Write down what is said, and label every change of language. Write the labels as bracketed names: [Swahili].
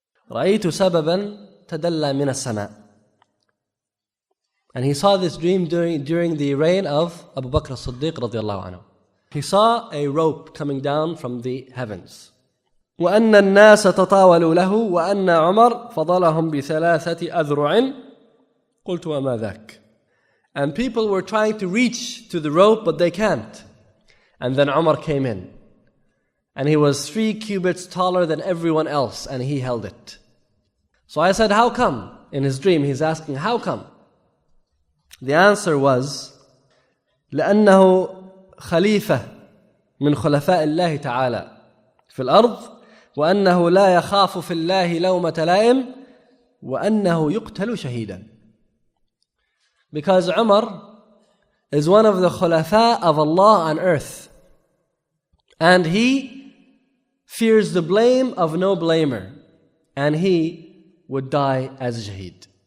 [Arabic] رأيت سببا تدلى من السماء. [English] And he saw this dream during the reign of Abu Bakr as-Siddiq radiallahu anhu. He saw a rope coming down from the heavens. [Arabic] وَأَنَّ النَّاسَ تَطَاوَلُوا لَهُ وَأَنَّ عُمَرْ فَضَلَهُمْ بِثَلَاثَةِ أَذْرُعٍ قُلْتُ وَمَا ذَكَ. [English] And people were trying to reach to the rope, but they can't. And then Umar came in. And he was 3 cubits taller than everyone else, and he held it. So I said, how come? In his dream, he's asking, how come? The answer was, [Arabic] لأنه خليفة من خلفاء الله تعالى في الأرض وأنه لا يخاف في الله لومة لائم وأنه يقتل شهيدا. [English] Because Umar is one of the خلفاء of Allah on earth, and he fears the blame of no blamer, and he would die as a shaheed.